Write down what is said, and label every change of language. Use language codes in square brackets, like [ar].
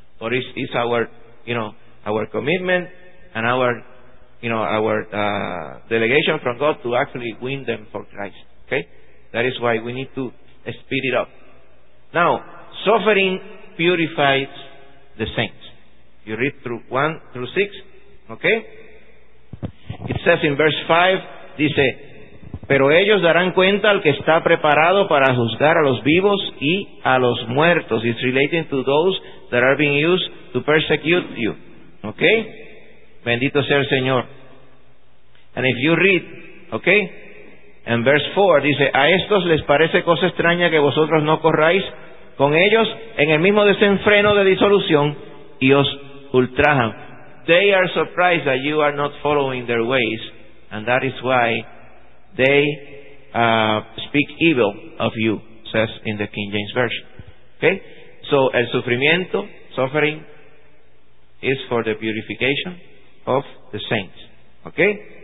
[en] But it's our, you know, our commitment and our, you know, our delegation from God to actually win them for Christ. Okay? That is why we need to speed it up. Now, suffering purifies the saints. You read through 1 through 6, okay? It says in verse 5, [es] dice, pero ellos darán cuenta al que está preparado para juzgar a los vivos y a los muertos. [en] It's relating to those that are being used to persecute you. Okay? [es] Bendito sea el Señor. [en] And if you read, okay? In verse 4, [es] dice, a estos les parece cosa extraña que vosotros no corráis con ellos en el mismo desenfreno de disolución y os ultrajan. [en] They are surprised that you are not following their ways, and that is why they speak evil of you, says in the King James Version. Okay? So, [es] el sufrimiento, [en] suffering, is for the purification of the saints. Okay?